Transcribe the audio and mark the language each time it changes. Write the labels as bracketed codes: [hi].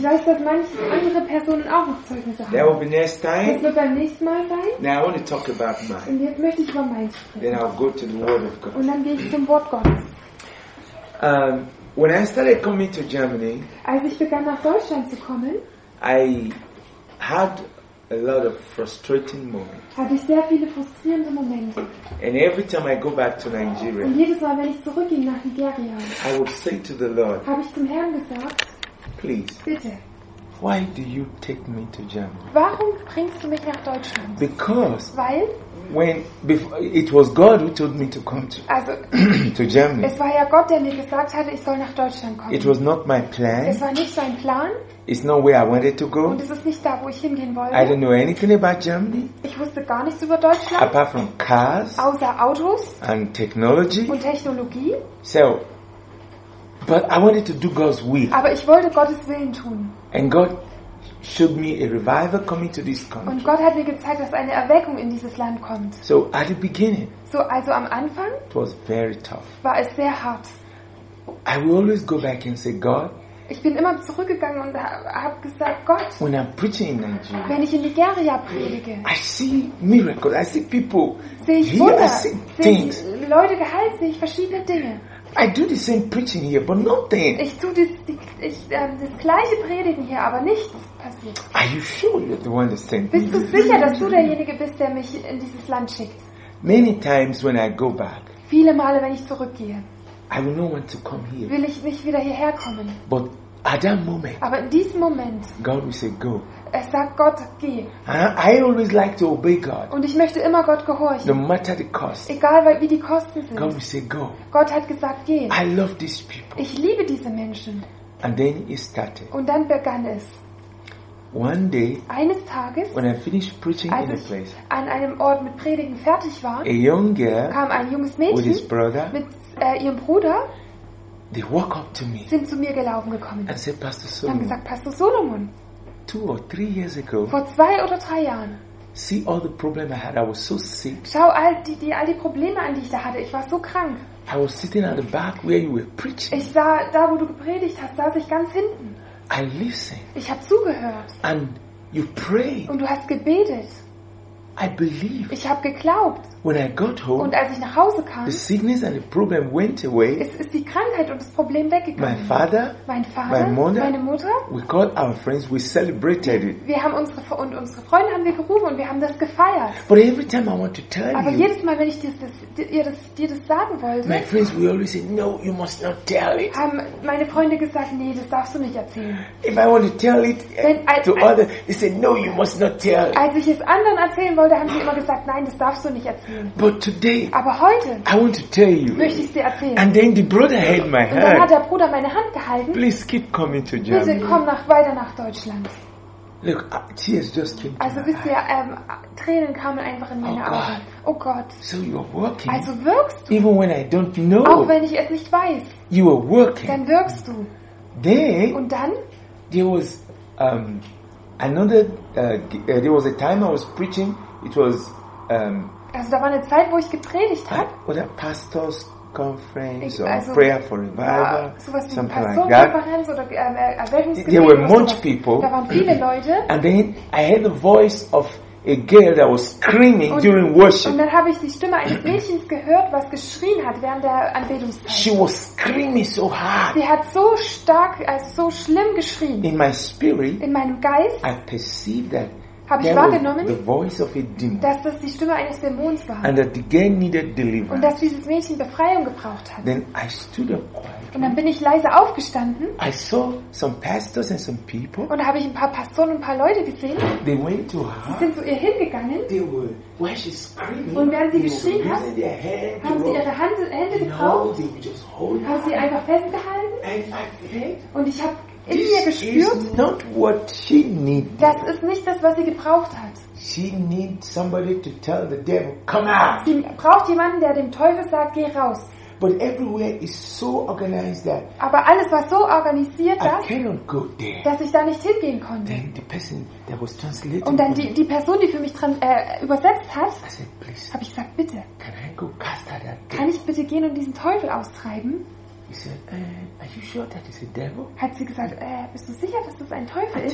[de] Ich weiß, dass manche andere Personen auch noch Zeugnisse haben. [en] There will be next time. [de] Das wird beim nächsten Mal sein. [en] Now I want to talk about mine. [de] Und jetzt möchte ich über meins sprechen. [en] Then I'll go to the Word of God. [de] Und dann gehe ich zum Wort Gottes. [en] When I started coming to Germany, [de] als ich begann nach Deutschland zu kommen, [en] I had a lot of frustrating moments. [de] Habe ich sehr viele frustrierende Momente. [en] And every time I go back to Nigeria, [de] und jedes Mal, wenn ich zurückging nach Nigeria, [en] I would say to the Lord, [de] habe ich zum Herrn gesagt, [en] please, [de] bitte, [en] why do you take me to Germany? [de] Warum bringst du mich nach Deutschland? [en] Because, [de] weil, [en] when before, it was God who told me to come to, [de] also, [en] to Germany. [de] Es war ja Gott, der mir gesagt hatte, ich soll nach Deutschland kommen. [en] It was not my plan. [de] Es war nicht sein Plan. [en] It's not where I wanted to go. [de] Und es ist nicht da, wo ich hingehen wollte. [en] I didn't know anything about Germany. [de] Ich wusste gar nichts über Deutschland. [en] Apart from cars. [de] Außer Autos. [en] And technology. [de] Und Technologie. [en] So, but I wanted to do God's will. [de] Aber ich wollte Gottes Willen tun. [en] And God showed me a revival coming to this country. [de] Und Gott hat mir gezeigt, dass eine Erweckung in dieses Land kommt. [en] So at the beginning. [de] So also am Anfang. [en] It was very tough. [de] War es sehr hart. [en] I will always go back and say, God. [de] Ich bin immer zurückgegangen und habe gesagt, Gott. [en] When I'm preaching in Nigeria. [de] Wenn ich in Nigeria predige. [en] I see miracles. I see people. [de] Sehe ich Wunder. Sehe ich Leute geheilt. Sehe ich verschiedene Dinge. [en] I do the same preaching here, but nothing. [de] Ich tue das gleiche Predigen hier, aber nichts passiert. [en] Are you sure you're the one that sent me? [de] Bist du sicher, dass du derjenige bist, der mich in dieses Land schickt? [en] Many times when I go back. [de] Viele Male, wenn ich zurückgehe. [en] I will not want to come here. [de] Will ich nicht wieder hierher kommen. [en] But at that moment. [de] Aber in diesem Moment. [en] God will say go. [de] Er sagt Gott, geh. [en] I always like to obey God. [de] Und ich möchte immer Gott gehorchen. [en] No matter the cost. [de] Egal wie die Kosten sind. [en] God will say go. [de] Gott hat gesagt, geh. [en] I love these people. [de] Ich liebe diese Menschen. [en] And then it started. [de] Und dann begann es. [en] One day, [de] eines Tages, [en] when I finished preaching in a place, [de] an einem Ort mit Predigen fertig war, [en] a young girl, [de] kam ein junges Mädchen [en] with his brother, [de] mit ihrem Bruder, [en] they walk up to me, [de] sind zu mir gelaufen gekommen, [en] and said, Pastor Solomon, [de] haben gesagt, Pastor Solomon, [en] two or three years ago, [de] vor zwei oder drei Jahren, [en] see all the problem I had, I was so sick. [de] Schau all die Probleme an, die ich da hatte. Ich war so krank. [en] I was sitting at the back where you were preaching. [de] Ich sah da, wo du gepredigt hast, saß ich ganz hinten. [en] I listened. [de] Ich habe zugehört. [en] And you prayed. [de] Und du hast gebetet. [en] I believe. [de] Ich habe geglaubt. [en] When I got home, [de] und als ich nach Hause kam, [en] the sickness and the problem went away. [de] Es ist die Krankheit und das Problem weggegangen. [en] My father, [de] mein Vater, [en] my mother, [de] meine Mutter. [en] We called our friends. We celebrated it. [de] Wir haben unsere Freunde haben wir gerufen und wir haben das gefeiert. [en] But every time I want to tell [de] aber [en] you. [de] Aber jedes Mal, wenn ich dir das sagen wollte. [en] My friends, we always say, no, you must not tell it. [de] Haben meine Freunde gesagt, nee, das darfst du nicht erzählen. [en] If I want to tell it to others, they say, no, you must not tell it. [de] Als ich es anderen erzählen wollte, haben sie immer gesagt, nein, das darfst du nicht erzählen. [en] But today, [de] aber heute, [en] I want to tell you, [de] möchte ich es dir erzählen. [en] And then the brother held my hand. [de] Und dann hat der Bruder meine Hand gehalten. [en] Please keep coming to Germany. [de] Bitte komm weiter nach Deutschland. [en] Look, tears just came. [de] Also wisst ihr, Tränen kamen einfach in meine Augen. Oh Gott. [en] So you're working. [de] Also wirkst du. [en] Even when I don't know. [de] Auch wenn ich es nicht weiß. [en] You are working. [de] Dann wirkst du. [en] Then, [de] und dann? [en] There was another. There was a time I was preaching. It was. [de] Also da war eine Zeit, wo ich gepredigt habe. [en] Oder Pastors Conference or also, Prayer for Revival. [de] So was wie Pastorenkonferenz oder Erweckungsgebet. [en] There were much people. [de] Da waren viele Leute. [en] And then I heard the voice of a girl that was screaming during worship. [de] Und dann habe ich die Stimme eines Mädchens gehört, was geschrien hat während der Anbetungszeit. [en] She was screaming so hard. [de] Sie hat so stark, also so schlimm geschrien. [en] In my spirit. [de] In meinem Geist. [en] I perceived that. [de] Habe ich wahrgenommen, [en] the voice of a demon, [de] dass das die Stimme eines Dämons war. [en] And that the girl needed deliverance. [de] Und dass dieses Mädchen Befreiung gebraucht hat. [en] Then I stood up quietly. [de] Und dann bin ich leise aufgestanden. [en] I saw some pastors and some people. [de] Und da habe ich ein paar Pastoren und ein paar Leute gesehen. [en] They went to her. [de] Sie sind zu ihr hingegangen. [en] They were, while she's screaming, [de] und während sie geschrien hat, haben sie ihre Hände gebraucht. Haben sie einfach festgehalten. Und ich habe in [en] this [de] mir gespürt, [en] is not what she needed. [de] Das ist nicht das, was sie gebraucht hat. [en] She need somebody to tell the devil, come out. [de] Sie braucht jemanden, der dem Teufel sagt, geh raus. [en] But everywhere is so organized that [de] aber alles war so organisiert, [en] I cannot go there. [de] Dass ich da nicht hingehen konnte. [en] Then the person that was translating [de] und dann die Person, die für mich übersetzt hat, habe ich gesagt, bitte, [en] can I go cast out that [de] kann ich bitte gehen und diesen Teufel austreiben? [en] He said, are you sure that is a devil? [de] Hat sie gesagt, bist du sicher, dass das ein Teufel ist?